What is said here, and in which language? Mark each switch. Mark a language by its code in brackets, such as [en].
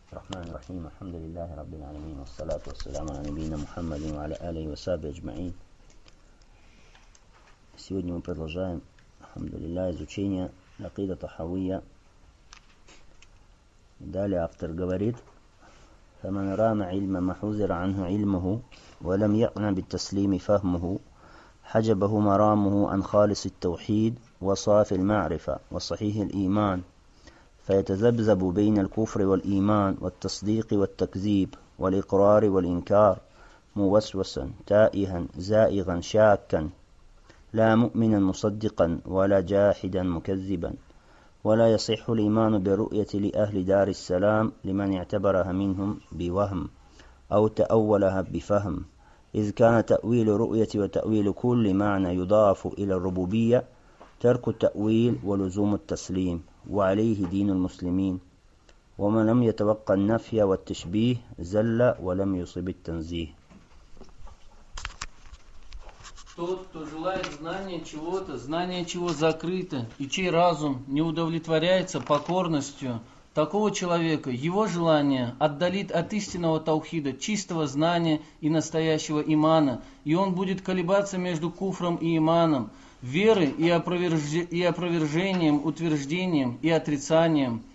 [ar] الرحمن الرحيم، الحمد لله رب العالمين، والصلاة والسلام على نبينا محمد وعلى آله وصحبه أجمعين. [ru] Сегодня мы продолжаем, [ar] الحمد لله, [ru] изучение عقيدة طحاوية. Далее автор говорит: [ar] فمن رام علم ما حذر عنه علمه ولم يقنع بالتسليم فهمه حجبه مرامه عن خالص التوحيد وصافي المعرفة وصحيح الإيمان، فيتذبذب بين الكفر والإيمان والتصديق والتكذيب والإقرار والإنكار موسوسا تائها زائغا شاكا لا مؤمنا مصدقا ولا جاحدا مكذبا. ولا يصح الإيمان بالرؤية لأهل دار السلام لمن اعتبرها منهم بوهم أو تأولها بفهم، إذ كان تأويل رؤية وتأويل كل معنى يضاف إلى الربوبية ترك التأويل ولزوم التسليم، وعليه دين المسلمين. ومن لم يتوقع النفي والتشبيه زل ولم يصب التنزيه. [ru] Тот, кто желает знания чего-то, знание чего закрыто, и чей разум не удовлетворяется покорностью такого человека, его желание отдалит от истинного таухида, чистого знания и настоящего имана, и он будет колебаться между куфром и иманом, веры и опровержением, утверждением и отрицанием.